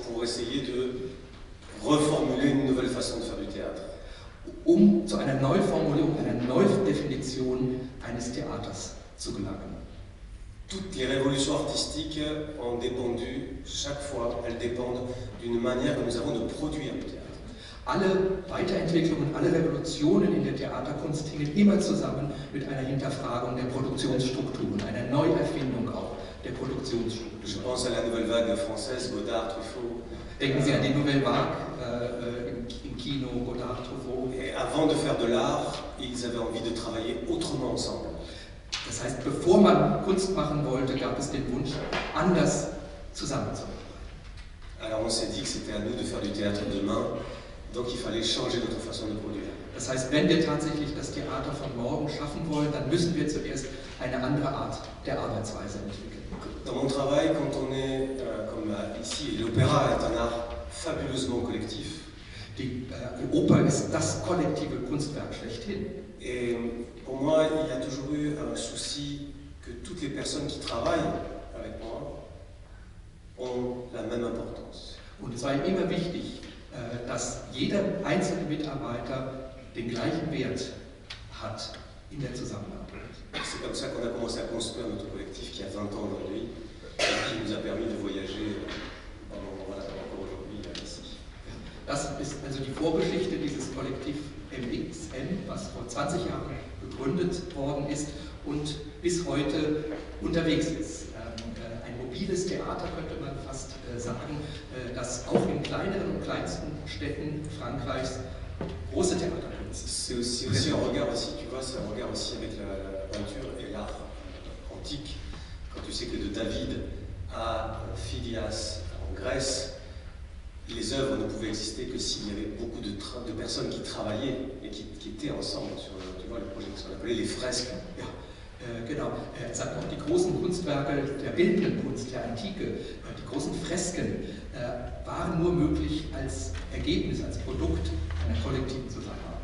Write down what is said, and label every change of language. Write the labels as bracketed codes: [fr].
[fr] Pour essayer de reformuler une nouvelle façon de faire du théâtre. [de] Um zu einer Neuformulierung, einer Neudefinition eines Theaters zu gelangen. [fr] Toutes les révolutions artistiques ont dépendu, chaque fois, elles dépendent d'une manière que nous avons de produire le théâtre. [de] Alle Weiterentwicklungen, alle Revolutionen in der Theaterkunst hängen immer zusammen mit einer Hinterfragung der Produktionsstrukturen, einer Neuerfindung auch der Produktionsstrukturen. [fr] Je pense à la nouvelle vague française, Godard, Truffaut. [de] Denken Sie an die Nouvelle Vague im Kino, Godard, Truffaut. [fr] Et avant de faire de l'art, ils avaient envie de travailler autrement ensemble. [de] Das heißt, bevor man Kunst machen wollte, gab es den Wunsch, anders zusammenzuarbeiten. [fr] Alors on s'est dit que c'était à nous de faire du théâtre demain, donc il fallait changer notre façon de produire. [de] Das heißt, wenn wir tatsächlich das Theater von morgen schaffen wollen, dann müssen wir zuerst eine andere Art der Arbeitsweise entwickeln. [fr] Dans mon travail, quand on est comme ici, l'opéra est un art fabuleusement collectif. [de] Die Oper ist das kollektive Kunstwerk schlechthin. [fr] Et pour moi, il y a toujours eu un souci que toutes les personnes qui travaillent avec moi ont la même importance. [de] Und es war ihm immer wichtig, dass jeder einzelne Mitarbeiter den gleichen Wert hat in der Zusammenarbeit. [fr] C'est comme ça qu'on a commencé à construire notre collectif qui a 20 ans aujourd'hui et qui nous a permis de voyager encore aujourd'hui ici. [de] Das ist also die Vorgeschichte dieses Kollektivs. MXN, was vor 20 Jahren gegründet worden ist und bis heute unterwegs ist. Ein mobiles Theater könnte man fast sagen, das auch in kleineren und kleinsten Städten Frankreichs große Theater kennt. [fr] C'est aussi, aussi un regard aussi, tu vois, c'est un regard aussi avec la peinture et l'art antique. Quand tu sais que de David à Phidias en Grèce, les œuvres ne pouvaient exister que s'il y avait beaucoup de personnes qui travaillaient et qui étaient ensemble sur tu vois, les projets qu'on appelait les fresques. [de] Ja, genau. Er sagt auch, die großen Kunstwerke der bildenden Kunst, der Antike, die großen Fresken, waren nur möglich als Ergebnis, als Produkt einer kollektiven Zusammenarbeit.